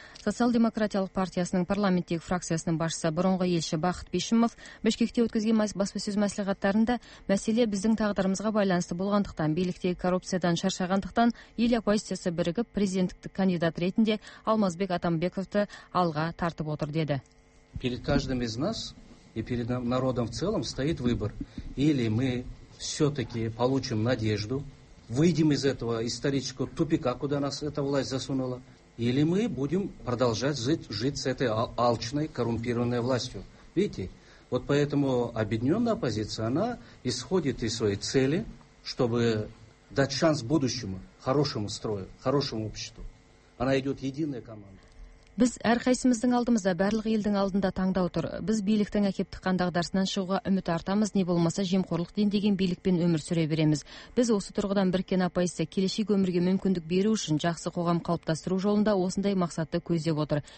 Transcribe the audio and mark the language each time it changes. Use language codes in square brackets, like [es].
[kk] Социал-демократиялық партиясының парламенттегі фракциясының басшысы бұрынғы елші Бақыт Бишімов Бішкекте өткізген баспасөз мәслихаттарында мәселе біздің тағдырымызға байланысты болғандықтан, биліктегі коррупциядан шаршағандықтан ел оппозициясы бірігіп президенттік кандидат ретінде Алмазбек Атамбековты алға тартып отыр деді. [ru] Перед каждым из нас и перед народом в целом стоит выбор. Или мы все-таки получим надежду, выйдем из этого исторического тупика, куда нас эта власть засунула, или мы будем продолжать жить с этой алчной, коррумпированной властью. Видите, вот поэтому объединенная оппозиция, она исходит из своей цели, чтобы дать шанс будущему, хорошему строю, хорошему обществу. Она идет единая команда. [kk] Біз әрқайсымыздың алдымызда, барлық елдің алдында таңдау тұр. Біз биліктің әкеп тыққан дағдарысынан шығуға үміт артамыз, не болмаса жемқорлық деген билікпен өмір сүре береміз. Біз осы тұрғыдан біріккен оппозиция келешек өмірге мүмкіндік беру үшін жақсы қоғам қалыптастыру жолында осындай мақсатты көздеп отыр.